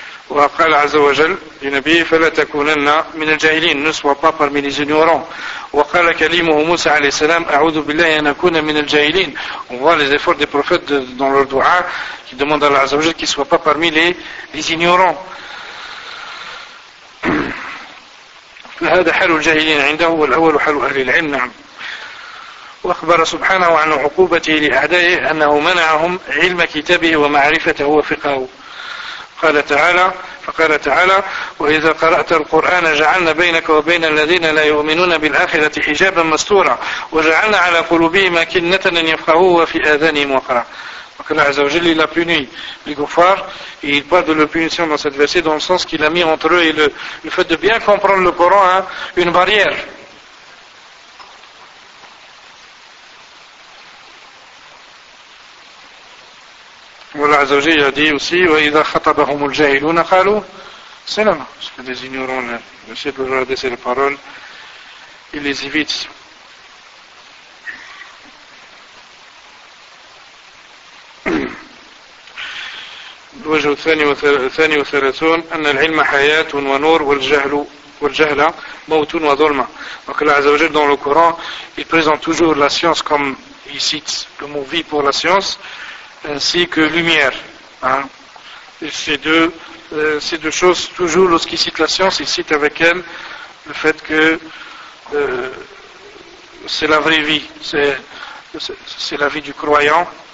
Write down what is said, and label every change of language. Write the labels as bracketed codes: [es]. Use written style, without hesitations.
[ar] وقال عز وجل لنبيه فلا تكونن من الجاهلين نسوى بابر من جنيوران. وقال كليمه موسى عليه السلام أعوذ بالله أن أكون من الجاهلين. [fr] On voit les efforts des prophètes dans leur dua qui demandent à Allah [ar] عز وجل [fr] qu'ils ne soient pas parmi les ignorants. [ar] فهذا حال الجاهلين عنده والأول حال أهل العلم. نعم. وأخبر سبحانه عن عقوبته لأعدائه أنه منعهم علم كتابه ومعرفته وفقهه. قال تعالى فقال تعالى وإذا قرأت القرآن جعلنا بينك وبين الذين لا يؤمنون بالآخرة حجابا مستورا وجعلنا على قلوبهم أكنة أن يفقهوه وفي آذانهم وقرا. [fr] Allah [ar] عز وجل [fr] il a puni les kuffars et il parle de la punition dans cette verset dans le sens qu'il a mis entre eux et le fait de bien comprendre le Coran hein, une barrière. Allah عز وجل a dit aussi [ar] وَإِذَا خَطَبَهُمُ الْجَاهِلُونَ قَالُوا سَلَمَا. [fr] Parce que les ignorants le verset de leur adresser les paroles ils les évitent. [ar] الوجه الثاني والثلاثون أن العلم حياة ونور والجهل موت وظلمة. وقال عز وجل [fr] dans le Coran il présente toujours la science comme il cite le mot vie pour la science ainsi que lumière hein. Et ces deux choses toujours lorsqu'il cite la science il cite avec elle le fait que c'est la vraie vie c'est la vie du croyant.